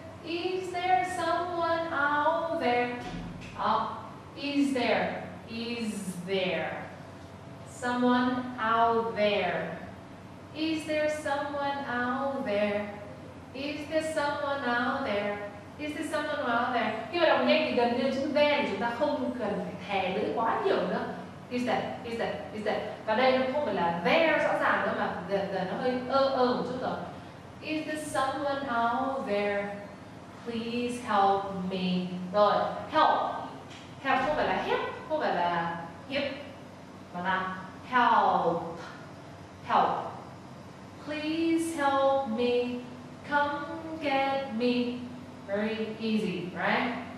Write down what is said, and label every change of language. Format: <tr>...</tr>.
<en>Is there someone out there? Is there? Is there someone out there? Is there someone out there? Is there someone out there? Is there someone out there?</en> <vi>Khi mà đọc nhanh thì gần như chữ there thì chúng ta không cần phải thè lưỡi quá nhiều nữa.</vi> <en>Is that? Is that? Is that?</en> <vi>Và đây nó không phải là there rõ ràng nữa mà the nó hơi ơ một chút rồi.</vi> <en>Is there someone out there? Please help me. Rồi, help.</en> <vi>Help không phải là help, không phải là help. Mà là</vi> <en>help. Help. Please help me. Come get me. Very easy, right?</en>